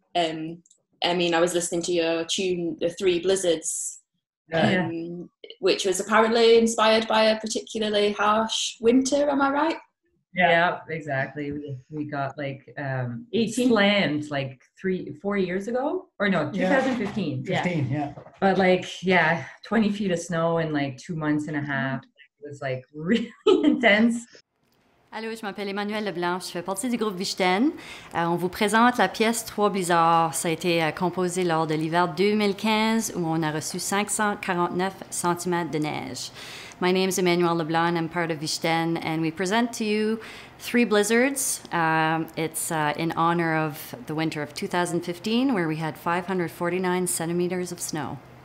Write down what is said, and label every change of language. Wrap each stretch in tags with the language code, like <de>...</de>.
<en>I mean, I was listening to your tune, The Three Blizzards, which was apparently inspired by a particularly harsh winter, am I right? Yeah, exactly. We got like 18 slammed like 3-4 years ago, or no, 2015. Yeah. 15, yeah. But like, 20 feet of snow in like 2 months and a half. It was like really intense.</en> <fr>Allô, je m'appelle Emmanuelle Leblanc, je fais partie du groupe Vishtèn. On vous présente la pièce « Trois Blizzards ». Ça a été composé lors de l'hiver 2015, où on a reçu 549 cm de neige.</fr> <en>My name is Emmanuelle Leblanc, I'm part of Vishtèn, and we present to you « Three Blizzards ». It's in honor of the winter of 2015, where we had 549 centimeters of snow.</en>